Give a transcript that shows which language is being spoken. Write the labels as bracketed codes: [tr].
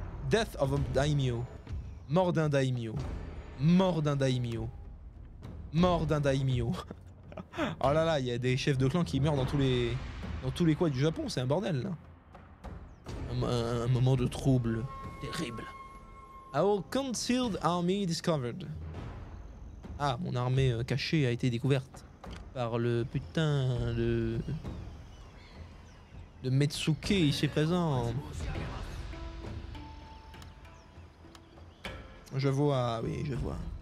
[en] Death of a Daimyo. [fr] Mort d'un Daimyo. Mort d'un Daimyo. Mort d'un Daimyo. Oh là là, il y a des chefs de clan qui meurent dans tous les coins du Japon, c'est un bordel là. Un moment de trouble terrible. [en] Our concealed army discovered. [fr] Ah, mon armée cachée a été découverte par le putain de Metsuke ici présent. Je vois, oui, je vois.